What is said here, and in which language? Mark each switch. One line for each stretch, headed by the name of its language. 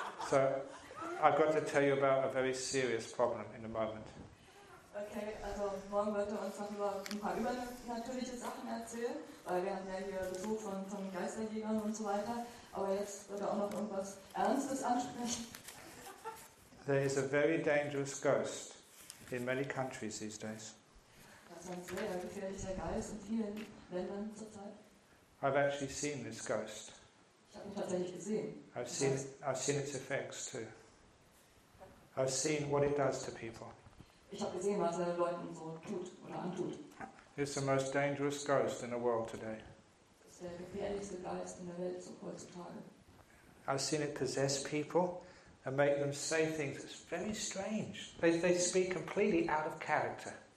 English: So I've got to tell you about a very serious problem in a moment.
German: Okay, also morgen wird uns noch über ein paar übernatürliche Sachen erzählen, weil wir haben ja hier Besuch von Geisterjägern und so weiter. Aber jetzt wird auch noch irgendwas Ernstes ansprechen.
English: There is a very dangerous ghost in many countries these days.
German: Das ist ein sehr gefährlicher Geist in vielen Ländern zurzeit.
English: I've actually seen this ghost.
German: Ich habe ihn tatsächlich gesehen.
English: I've seen its effects too. I've seen what it does to people.
German: Ich habe gesehen, was er Leuten so tut oder antut.
English: It's the most dangerous ghost in the world today.
German: Das ist der gefährlichste Geist in der Welt so heutzutage.
English: I've seen it possess people and make them say things. It's very strange. They speak completely out of character.